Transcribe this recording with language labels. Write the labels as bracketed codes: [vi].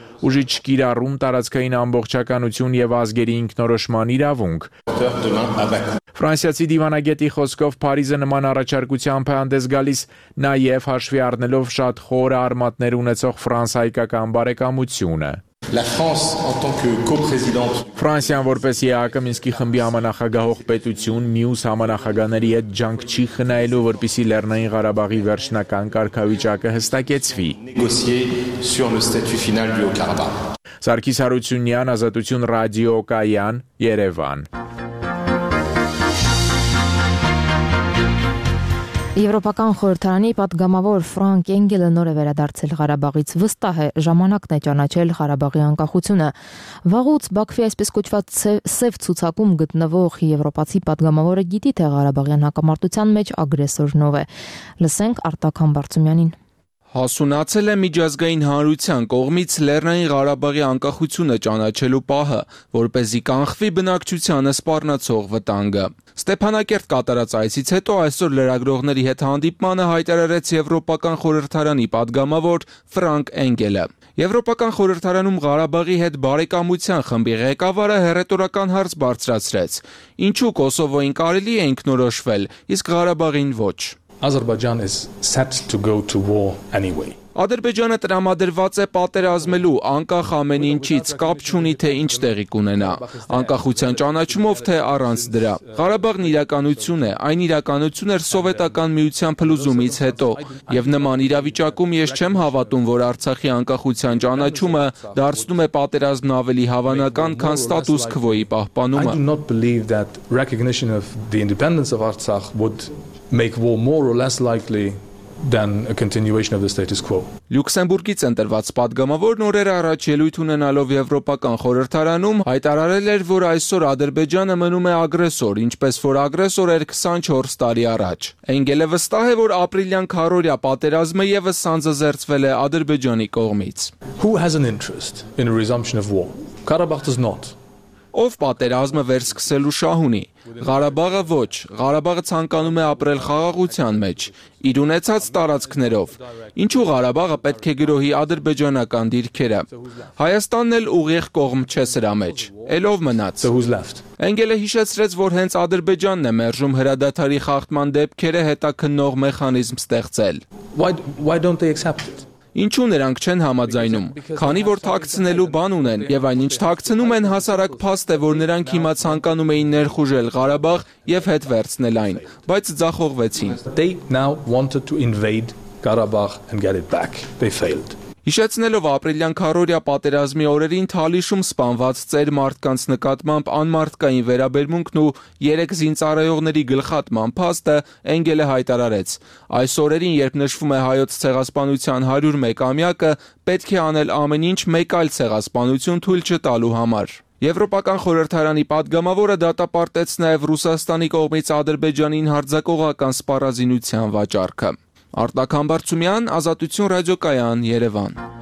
[hy] ուժի չկիրառում, տարածքային ամբողջականություն եւ ազգերի ինքնորոշման իրավունք։ Ֆրանսիացի դիվանագետի խոսքով Փարիզը նման առաջարկությամբ հանդես գալիս, նաեւ հաշվի առնելով շատ խոր արմատներ ունեցող ֆրանս-հայկական բարեկամությունը։ [fr] La France en tant que co-président. [hy] Ֆրանսիան որպես ԵԱԿ-ի Մինսկի խմբի համանախագահող պետություն մյուս համանախագաների հետ ջանք չի խնայելու, որպեսզի Լեռնային Ղարաբաղի վերջնական կարգավիճակը հստակեցվի։ [fr] Négocier sur le statut final du Haut-Karabakh. [hy] Սարգիս Հարությունյան, Ազատություն ռադիո Կայան, Երևան։ Եվրոպական խորհրդարանի պատգամավոր Ֆրանկ Էնգելը նոր է վերադարձել Ղարաբաղից։ Վստահ է, ժամանակն է ճանաչել Ղարաբաղի անկախությունը։ Վաղուց Բաքվի այսպես կոչված սև ցուցակում գտնվող եվրոպացի պատգամավորը գիտի, թե Ղարաբաղյան հակամարտության մեջ ագրեսորն ով է։ Լսենք Արտակ Համբարձումյանին։ Հասունացել է միջազգային հանրության կողմից Լեռնային Ղարաբաղի անկախությունը ճանաչելու պահը, որպեսզի կանխվի բնակչությանը սպառնացող վտանգը։ Ստեփանակերտ կատարած այցից հետո այսօր լրագրողների հետ հանդիպմանը հայտարարեց Եվրոպական խորհրդարանի պատգամավոր Ֆրանկ Էնգելը։ Եվրոպական խորհրդարանում Ղարաբաղի հետ բարեկամության խմբի ղեկավարը հերետորական հարց բարձրացրեց. ինչու Կոսովոյին կարելի է ինքնորոշվել, իսկ Ղարաբաղին ոչ։ [en] Azerbaijan is set to go to war anyway. [hy] Ադրբեջանը տրամադրված է պատերազմելու անկախ ամեն ինչից, կապ չունի թե ինչ տեղի կունենա, անկախության ճանաչումով թե առանց դրա։ Ղարաբաղն իրականություն է, այն իրականություն էր սովետական միության փլուզումից հետո, եւ նման իրավիճակում ես չեմ հավատում, որ Արցախի անկախության ճանաչումը դարձնում է պատերազմն ավելի հավանական, քան ստատուս քվոյի պահպանումը։ [en] I do not believe that recognition of the independence of Artsakh would make war more or less likely than a continuation of the status quo. [hy] Լյուքսեմբուրգից ընտրված պատգամավորն օրեր առաջ ելույթ ունենալով Եվրոպական խորհրդարանում հայտարարել էր, որ այսօր Ադրբեջանը մնում է ագրեսոր, ինչպես որ ագրեսոր էր 24 տարի առաջ։ Էնգելը վստահ է, որ ապրիլյան քարորյա պատերազմը եւս սանձազերծվել է Ադրբեջանի կողմից։ [en] Who has an interest in a resumption of war? Karabakh does not. [hy] Ով պատերազմը վերսկսելու շահ ունի։ Ղարաբաղը ոչ, Ղարաբաղը ցանկանում է ապրել խաղաղության մեջ, իր ունեցած տարածքներով։ Ինչու Ղարաբաղը պետք է գրոհի ադրբեջանական դիրքերը։ Հայաստանն էլ ուղիղ կողմ չէ սրա մեջ, էլ ով մնաց։ Էնգելը հիշեցրեց, որ հենց Ադրբեջանն է մերժում հրադադարի խախտման դեպքերը հետաքննող մեխանիզմ ստեղծել։ [en] Why don't they accept it? [hy] Ինչու նրանք չեն համաձայնում, քանի որ թաքցնելու բան ունեն, եւ այնինչ թաքցնում են հասարակ փաստ է, որ նրանք հիմա ցանկանում էին ներխուժել Ղարաբաղ եւ հետ վերցնել այն, բայց ձախողվեցին։ [en] They now wanted to invade Karabakh and get it back. They failed. [hy] Հիշեցնելով ապրիլյան քարորյա պատերազմի օրերին Թալիշում սպանված ծեր մարդկանց նկատմամբ անմարդկային վերաբերմունքն ու երեք զինծառայողների գլխատման փաստը, Էնգելը հայտարարեց. Այս օրերին, երբ նշվում է հայոց ցեղասպանության 101-ամյակը, պետք է անել ամեն ինչ մեկ այլ ցեղասպանություն թույլ չտալու համար։ Եվրոպական խորհրդարանի պատգամավորը դատապարտեց նաև Ռուսաստանի կողմից Ադրբեջանին հարձակողական սպառազինության վաճառքը։ Արտակ Համբարձումյան, Ազատություն ռադիոկայան, Երևան։